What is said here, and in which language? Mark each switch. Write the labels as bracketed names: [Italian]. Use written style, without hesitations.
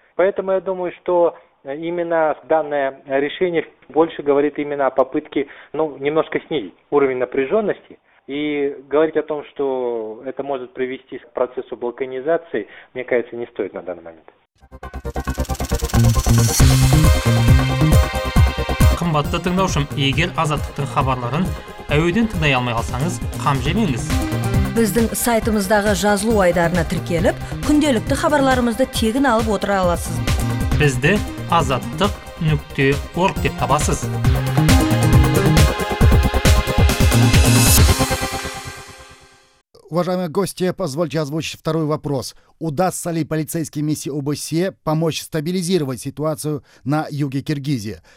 [Russian] Поэтому я думаю, что именно данное решение больше говорит именно о попытке, ну, немножко снизить уровень напряженности и говорить о том, что это может привести к процессу балканизации, мне кажется, не стоит на данный момент. [Kazakh] Қымбатты тыңдаушым, егер азаттықтың хабарларын әуеден тыңдай алмай қалсаңыз, қам жемеңіз. Біздің сайтымыздағы жазылу айдарына тіркеліп, күнделікті хабарларымызды тегін алып отыра аласыз. Бізді azattık.org деп табасыз. [Russian] Уважаемые гости, позвольте озвучить второй вопрос. Удастся ли полицейской миссии ОБСЕ помочь стабилизировать ситуацию на юге Киргизии?